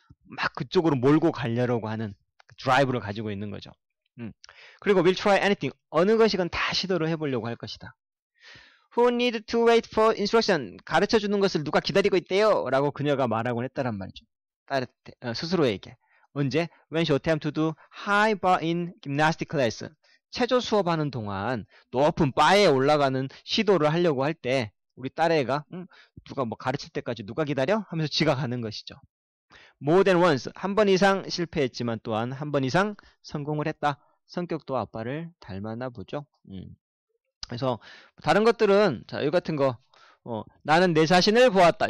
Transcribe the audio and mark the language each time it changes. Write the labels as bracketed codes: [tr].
[ko] 막 그쪽으로 몰고 가려고 하는 drive를 가지고 있는 거죠. [en] 그리고 we'll try anything. [ko] 어느 것이건 다 시도를 해보려고 할 것이다. [en] Who need to wait for instruction? [ko] 가르쳐 주는 것을 누가 기다리고 있대요? 라고 그녀가 말하곤 했다란 말이죠. 딸한테, 스스로에게. 언제? [en] When she attempt to do high bar in gymnastic class. [ko] 체조 수업하는 동안 높은 바에 올라가는 시도를 하려고 할 때, 우리 딸애가, 누가 뭐 가르칠 때까지 누가 기다려? 하면서 지각하는 것이죠. [en] More than once. [ko] 한번 이상 실패했지만 또한 한번 이상 성공을 했다. 성격도 아빠를 닮았나 보죠. 그래서 다른 것들은 자, 이 같은 거 나는 내 자신을 보았다.